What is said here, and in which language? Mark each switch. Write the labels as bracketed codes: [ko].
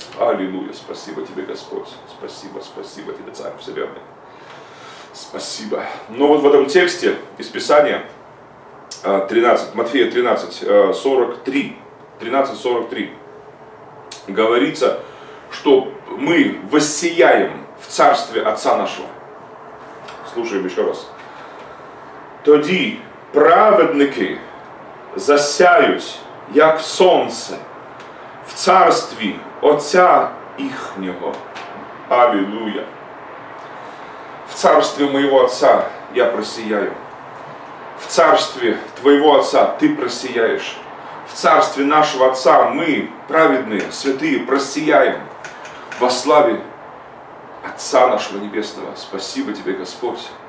[ru] Аллилуйя, спасибо тебе, Господь. Спасибо, спасибо тебе, Царь Вселенной. Спасибо. Но вот в этом тексте из Писания, 13, Матфея 13:43, говорится, что мы воссияем в царстве Отца нашего. Слушаем еще раз. [uk] Тоді праведники засяють, як сонце, в царстві Отця їхнього. [ru] Аллилуйя. В царстве моего Отца я просияю. В царстве твоего Отца ты просияешь. В царстве нашего Отца мы, праведные, святые, просияем. Во славе Отца нашего Небесного. Спасибо тебе, Господь.